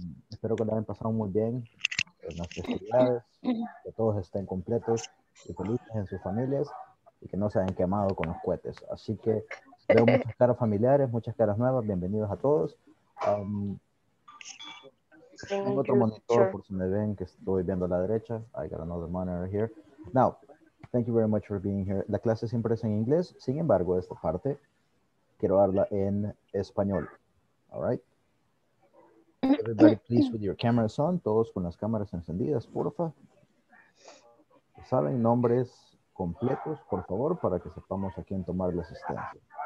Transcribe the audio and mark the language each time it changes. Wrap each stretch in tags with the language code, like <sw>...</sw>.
<es>Espero que lo hayan pasado muy bien en las festividades, que todos estén completos y felices en sus familias y que no se hayan quemado con los cohetes. Así que veo muchas caras familiares, muchas caras nuevas. Bienvenidos a todos. Tengo otro monitor, por si me ven, que estoy viendo a la derecha.</es> <en>I got another monitor here. Now, thank you very much for being here.</en> <es>La clase siempre es en inglés. Sin embargo, esta parte quiero darla en español.</es> <en>All right? Everybody, please, with your cameras on.</en> <es>Todos con las cámaras encendidas, porfa. ¿Saben nombres completos, por favor, para que sepamos a quién tomar la asistencia?</es>